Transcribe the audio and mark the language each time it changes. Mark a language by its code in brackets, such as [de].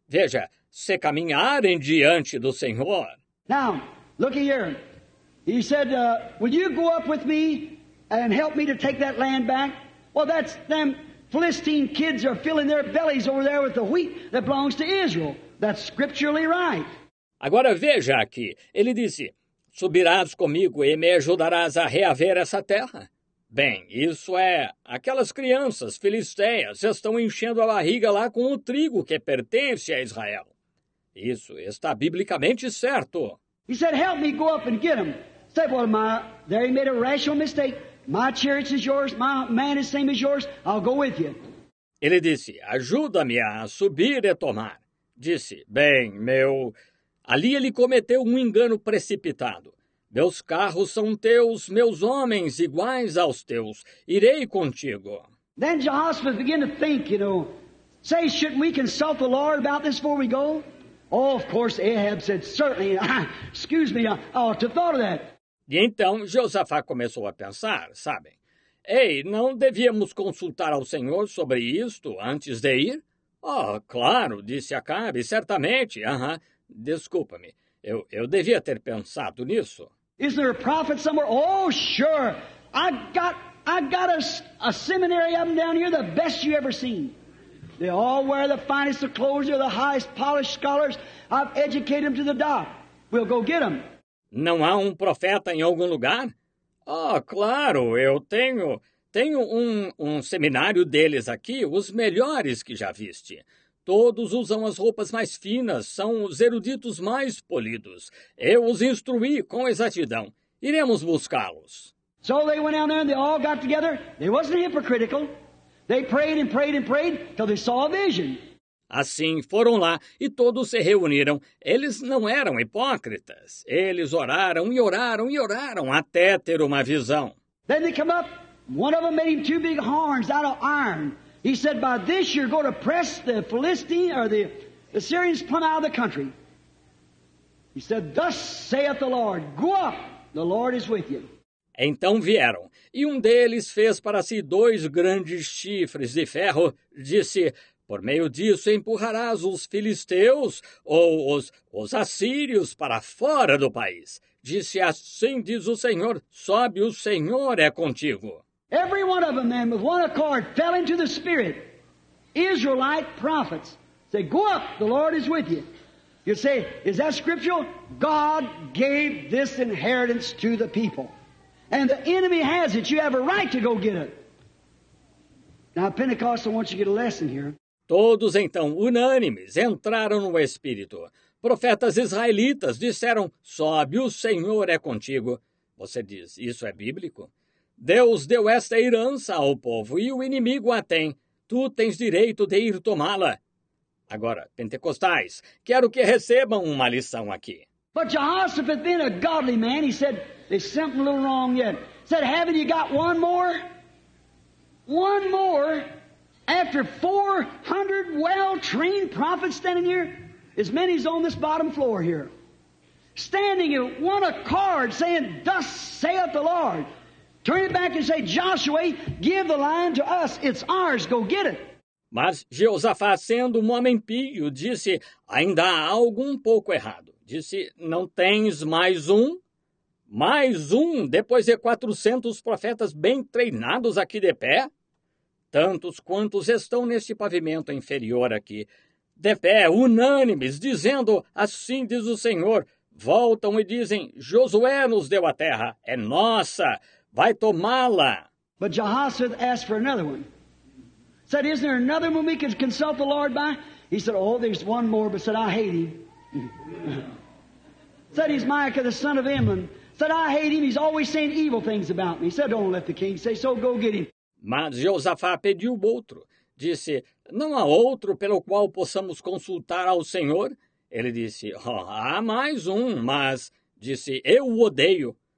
[pt] Veja, se caminharem diante do Senhor. [en] Now, look here. He said, will you go up with me and help me to take that land back? Well, that's them... Philistine kids are filling their bellies over there with the wheat that belongs to Israel. That's scripturally right. [pt] Agora veja aqui. Ele disse, subirás comigo e me ajudarás a reaver essa terra. Bem, isso é, aquelas crianças filisteias estão enchendo a barriga lá com o trigo que pertence a Israel. Isso está biblicamente certo. [en] He said, help me go up and get them. Say, well, there he made a rational mistake. My chariot is yours, my man is same as yours, I'll go with you. [pt] Ele disse, ajuda-me a subir e tomar. Disse, bem, meu... Ali ele cometeu um engano precipitado. Meus carros são teus, meus homens iguais aos teus. Irei contigo. [en] Then Jehoshaphat began to think, you know, say, shouldn't we consult the Lord about this before we go? Oh, of course, Ahab said, certainly, excuse me, I ought to have thought of that. [pt] E então, Josafá começou a pensar, sabem? Ei, não devíamos consultar ao Senhor sobre isto antes de ir? Oh, claro, disse Acabe, certamente, Desculpa-me, eu devia ter pensado nisso. [en] Is there a prophet somewhere? Oh, sure. I got a seminary of them down here, the best you ever seen. They all wear the finest of clothes, they're the highest polished scholars. I've educated them to the dock. We'll go get them. [pt] Não há um profeta em algum lugar? Oh, claro, eu tenho um seminário deles aqui, os melhores que já viste. Todos usam as roupas mais finas, são os eruditos mais polidos. Eu os instruí com exatidão. Iremos buscá-los. [en] So they went down there and they all got together. They wasn't hypocritical. They prayed and prayed and prayed till they saw a vision. [pt] Assim foram lá e todos se reuniram. Eles não eram hipócritas. Eles oraram e oraram e oraram até ter uma visão. [en] Then they come up. One of them made him two big horns out of iron. He said, by this you're going to press the Philistine or the Syrians plumb out of the country. He said, thus saith the Lord, go up, the Lord is with you. [pt] Então vieram, e um deles fez para si dois grandes chifres de ferro. Disse, por meio disso empurrarás os filisteus ou os assírios para fora do país. Disse, assim diz o Senhor, sobe, o Senhor é contigo. [en] Every one of them, then, with one accord, fell into the spirit. Israelite prophets say, go up, the Lord is with you. You say, is that scriptural? God gave this inheritance to the people. And the enemy has it. You have a right to go get it. Now, Pentecost, I want you to get a lesson here. [pt] Todos, então, unânimes, entraram no Espírito. Profetas israelitas disseram, sobe, o Senhor é contigo. Você diz, isso é bíblico? Deus deu esta herança ao povo e o inimigo a tem. Tu tens direito de ir tomá-la. Agora, pentecostais, quero que recebam uma lição aqui. [en] But Jehoshaphat, being a godly man, he said, there's something a little wrong yet. He said, haven't you got one more? One more? After 400 well-trained prophets standing here? As many as on this bottom floor here. Standing in one accord saying, thus saith the Lord. Turn it back and say, Joshua, give the line to us. It's ours. Go get it. [pt] Mas Jeosafá, sendo um homem pio, disse, ainda há algo um pouco errado. Disse, não tens mais um? Mais um, depois de 400 profetas bem treinados aqui de pé? Tantos quantos estão neste pavimento inferior aqui, de pé, unânimes, dizendo, assim diz o Senhor, voltam e dizem, Josué nos deu a terra, é nossa. Vai tomá-la. [en] But Jehoshaphat asked for another one. Said, isn't there another one we can consult the Lord by? He said, oh, there's one more, but said, I hate him. Said, he's Micah, the son of Imlan. Said, I hate him. He's always saying evil things about me. Said, don't let the king say so. Go get him. [pt] Mas Josafá pediu outro. Disse, não há outro pelo qual possamos consultar ao Senhor? Ele disse, oh, há mais um, mas, disse, eu o odeio.